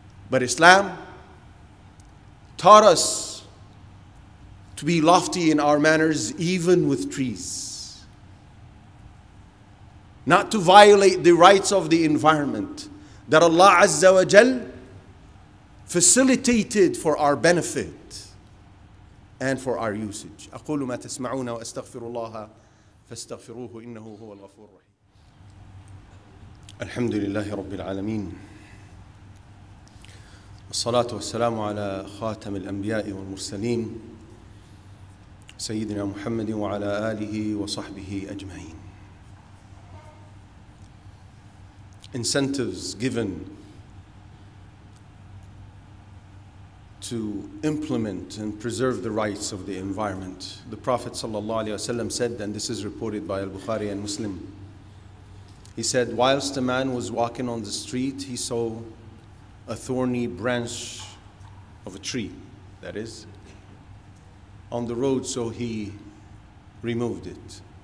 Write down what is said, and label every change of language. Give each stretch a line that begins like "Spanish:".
English: But Islam taught us to be lofty in our manners, even with trees. Not to violate the rights of the environment that Allah Azza wa Jal facilitated for our benefit and for our usage.
Arabic: أقول ما تسمعون وأستغفر الله فاستغفروه إنه هو الغفور الرحيم. الحمد لله رب العالمين. الصلاة والسلام على خاتم الأنبياء والمرسلين سيدنا محمد وعلى آله وصحبه أجمعين.
English: Incentives given to implement and preserve the rights of the environment. The Prophet ﷺ said, and this is reported by Al-Bukhari and Muslim, he said, whilst a man was walking on the street, he saw a thorny branch of a tree, that is, on the road, so he removed it.